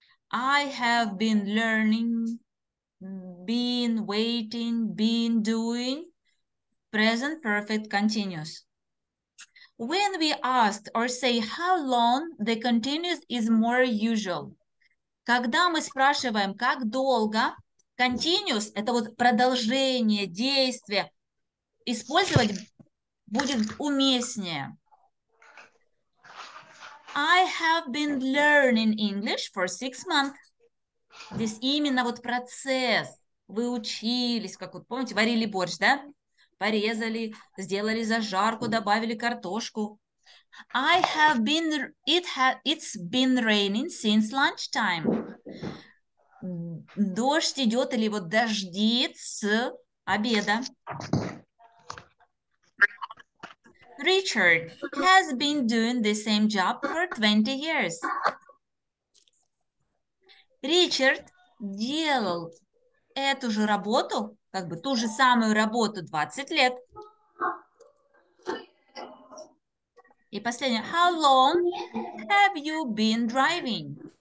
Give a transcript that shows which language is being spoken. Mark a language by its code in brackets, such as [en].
[en] I have been learning, been waiting, been doing present perfect continuous. When we ask or say how long, the continuous is more usual. [ru] Когда мы спрашиваем, как долго, continuous – это вот продолжение действия. Использовать будет уместнее. [en] I have been learning English for 6 months. [ru] Здесь именно вот процесс. Вы учились, как вот, помните, варили борщ, да? Порезали, сделали зажарку, добавили картошку. [en] I have been, it's been raining since lunchtime. [ru] Дождь идет или вот дождит с обеда. [en] Richard has been doing the same job for 20 years. [ru] Richard делал эту же работу, как бы ту же самую работу 20 лет. И последнее. [en] How long have you been driving?